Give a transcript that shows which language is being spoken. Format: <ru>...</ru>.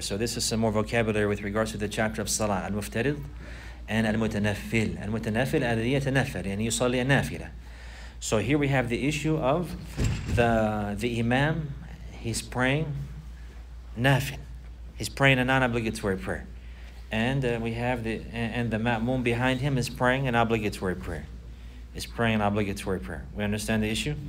<en>So this is some more vocabulary with regards to the chapter of Salah, المفترض and المتنفل.</en> <ar>المتنفل الذي يتنفل يعني يصلي النافلة.</ar> <en>So here we have the issue of the imam, he's praying Nafil. He's praying a non-obligatory prayer. And we have the ma'mum behind him is praying an obligatory prayer. Is praying an obligatory prayer. We understand the issue?</en>